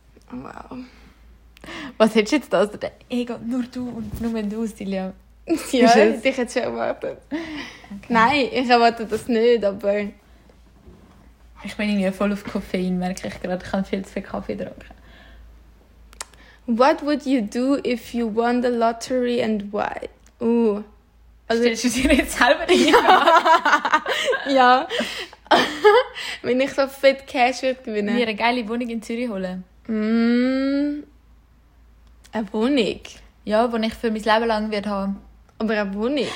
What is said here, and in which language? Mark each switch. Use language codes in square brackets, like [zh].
[de] Wow. Was hättest du jetzt da aus der Ego? Nur du und nur du, Silja. Ja, ich hätte es schon erwartet. Okay. Nein, ich erwarte das nicht, aber... Ich bin ja voll auf Koffein, merke ich gerade. Ich kann viel zu viel Kaffee trinken. [en] What would you do if you won the lottery and why? [de] Also, stellst du dir jetzt selber die Frage? Ja. Wenn ich so fett Cash würde gewinnen. Mir eine geile Wohnung in Zürich holen. Eine Wohnung? Ja, den ich für mein Leben lang werde haben. Aber eine Wohnung?